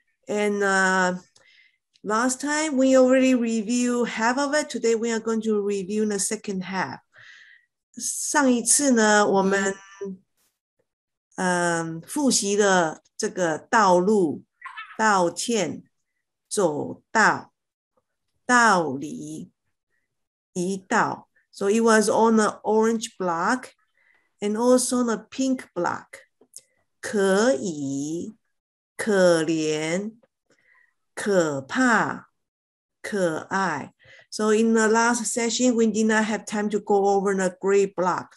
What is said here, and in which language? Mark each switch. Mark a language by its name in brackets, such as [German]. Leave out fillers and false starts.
[English] And last time we already reviewed half of it. Today we are going to review the second half. [Chinese] 上一次呢, 我们, 复习了这个道路, 道歉, 走道, 道理, 一道. [English] So it was on the orange block and also the pink block. [Chinese] 可以, 可怜, 可怕, 可爱. [English] So in the last session, we did not have time to go over the gray block.